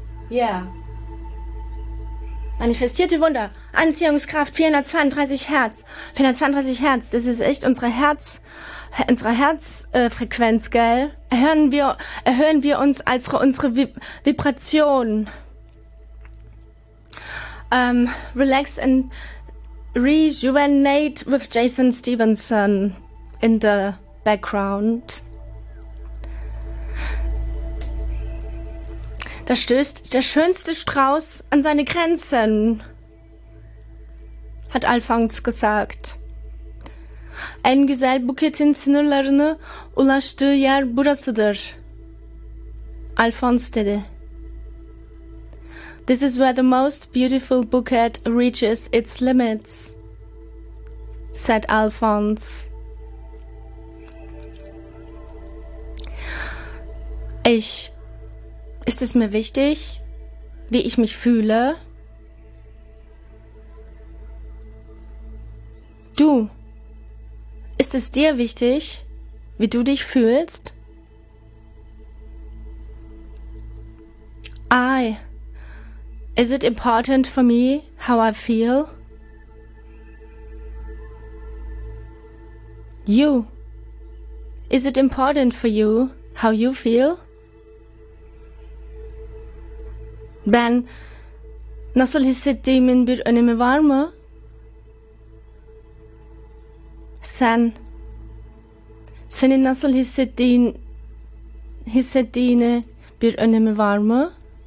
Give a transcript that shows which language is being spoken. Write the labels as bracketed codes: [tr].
[de] Yeah. Manifestierte Wunder. Anziehungskraft 432 Hertz. 432 Hertz, das ist echt unsere Herzfrequenz, gell? Erhöhen wir uns als unsere Vibration. [en] Relax and rejuvenate with Jason Stevenson in the background. [de] Da stößt der schönste Strauß an seine Grenzen. hat Alphonse gesagt. [tr] En güzel buketin sınırlarını ulaştığı yer burasıdır, Alphonse dedi. [en] This is where the most beautiful bouquet reaches its limits, said Alphonse. [de] Ist es mir wichtig, wie ich mich fühle? Du, ist es dir wichtig, wie du dich fühlst? [en] Is it important for me how I feel? You, is it important for you how you feel? [tr] Ben, nasıl hissettiğimin bir önemi var mı? Sen, senin nasıl hissettiğine bir önemi var mı?